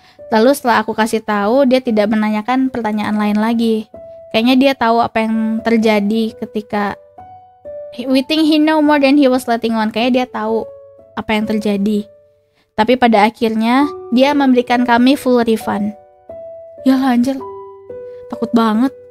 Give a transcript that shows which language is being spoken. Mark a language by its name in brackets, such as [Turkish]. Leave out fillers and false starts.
[Indonesian] Lalu setelah aku kasih tahu, dia tidak menanyakan pertanyaan lain lagi. Kayaknya dia tahu apa yang terjadi ketika... [English] We think he know more than he was letting on. [Indonesian] Kayaknya dia tahu apa yang terjadi. Tapi pada akhirnya, dia memberikan kami full refund. Yalah anjir, takut banget.